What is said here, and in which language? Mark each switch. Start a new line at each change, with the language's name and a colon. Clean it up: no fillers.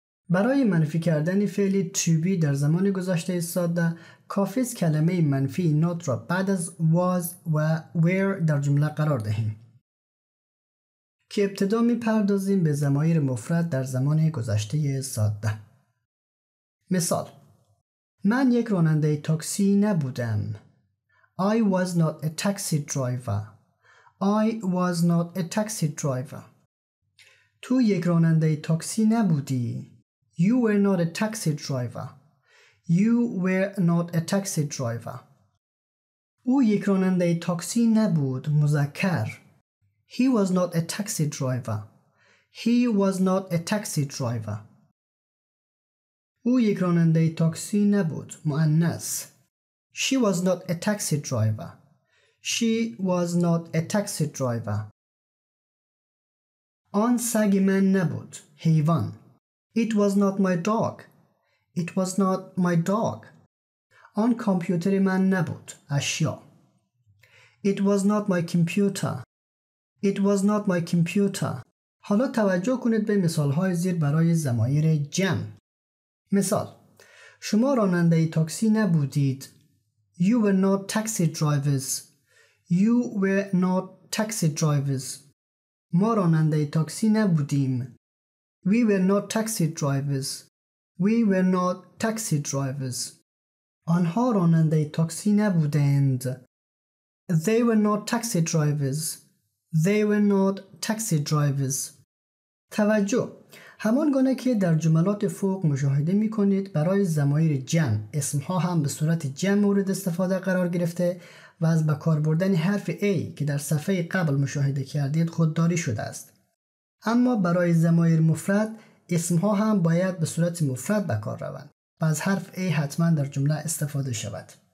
Persian: برای منفی کردن فعل to be در زمان گذشته ساده کافی است کلمه منفی not را بعد از was و were در جمله قرار دهیم که ابتدا می پردازیم به ضمایر مفرد در زمان گذشته ساده. مثال: من یک راننده تاکسی نبودم.
English: I was not a taxi driver. I was not a taxi driver.
Persian: تو یک راننده تاکسی نبودی.
English: You were not a taxi driver. You were not a taxi driver.
Persian: او یک راننده تاکسی نبود.
English: مذکر: He was not a taxi driver. He was not a taxi driver.
Persian: او یک راننده تاکسی نبود.
English: مؤنث: She was not a taxi driver. She was not a taxi driver.
Persian: آن سگ من نبود.
English: حیوان: It was not my dog. It was not my dog.
Persian: آن کامپیوتر من نبود.
English: اشیا: It was not my computer. It was not my computer.
Persian: حالا توجه کنید به مثال‌های زیر برای ضمایر جمع. مثال: شما راننده تاکسی نبودید.
English: You were not taxi drivers. You were not taxi drivers.
Persian: ما راننده تاکسی نبودیم.
English: We were not taxi drivers. We were not taxi drivers.
Persian: آنها راننده تاکسی نبودند.
English: They were not taxi drivers. They were not taxi drivers. توجه:
Persian: همان گونه که در جملات فوق مشاهده می کنید، برای ضمایر جمع اسم ها هم به صورت جمع مورد استفاده قرار گرفته و از بکار بردن حرف ای که در صفحه قبل مشاهده کردید خودداری شده است. اما برای ضمایر مفرد اسم ها هم باید به صورت مفرد بکار روند و از حرف ای حتما در جمله استفاده شود.